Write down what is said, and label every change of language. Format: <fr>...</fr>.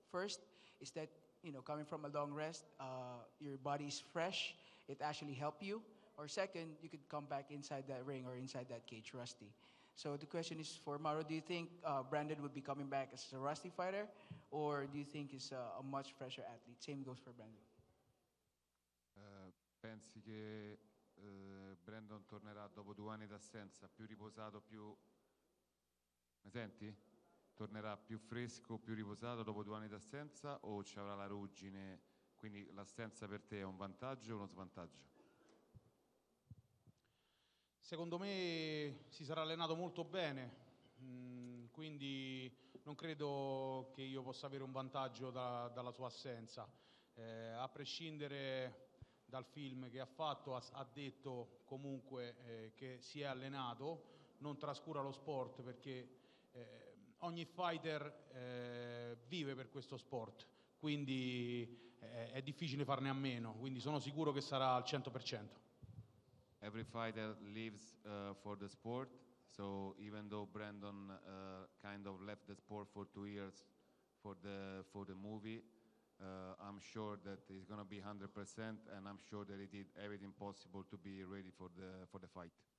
<en>First is that, coming from a long rest, your body's fresh, it actually helps you. Or second, you could come back inside that ring or inside that cage rusty. So the question is for Mauro, do you think Brandon would be coming back as a rusty fighter, or do you think he's a much fresher athlete? Same goes for Brandon.</en> <it>Pensi che Brandon tornerà dopo due anni d'assenza più riposato, più mi senti? Tornerà più fresco, più riposato dopo due anni d'assenza, o ci avrà la ruggine? Quindi l'assenza per te è un vantaggio o uno svantaggio? Secondo me si sarà allenato molto bene, quindi non credo che io possa avere un vantaggio dalla sua assenza. A prescindere dal film che ha fatto, ha detto comunque che si è allenato, non trascura lo sport, perché ogni fighter vive per questo sport, quindi è difficile farne a meno, quindi sono sicuro che sarà al 100%.</it> <en>Every fighter lives for the sport, so even though Brandon kind of left the sport for 2 years for the movie, I'm sure that he's going to be 100%, and I'm sure that he did everything possible to be ready for the fight.</en>